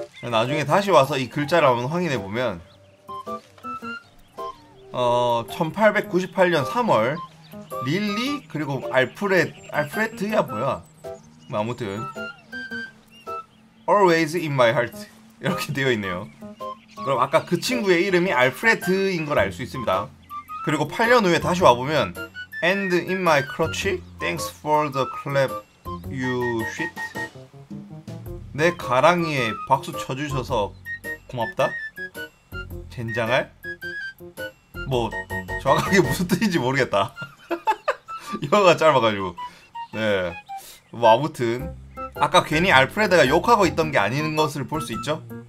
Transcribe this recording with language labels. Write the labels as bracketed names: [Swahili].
[Korean] 나중에 다시 와서 이 글자를 한번 확인해 보면 1898년 3월 릴리 그리고 알프레드야 뭐야? 뭐 아무튼 [English] Always in my heart [Korean] 이렇게 되어 있네요. 그럼 아까 그 친구의 이름이 알프레드인 걸 알 수 있습니다. 그리고 8년 후에 다시 와보면 [English] And in my clutch, thanks for the clap, you shit. [Korean] 내 가랑이에 박수 쳐주셔서 고맙다? 젠장할? 뭐 정확하게 무슨 뜻인지 모르겠다. 영어가 짧아가지고. 네. 뭐 아무튼 아까 괜히 알프레드가 욕하고 있던 게 아닌 것을 볼 수 있죠?